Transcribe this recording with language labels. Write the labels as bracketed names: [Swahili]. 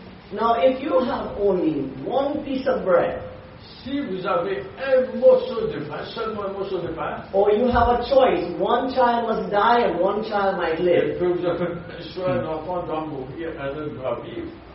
[English] Now, if you have only one piece of bread, [French] si vous avez un morceau de pain, seulement un morceau de pain, [English] or you have a choice, one child must die and one child might live. [French] Que vous avez soit un enfant doit mourir, un autre doit vivre.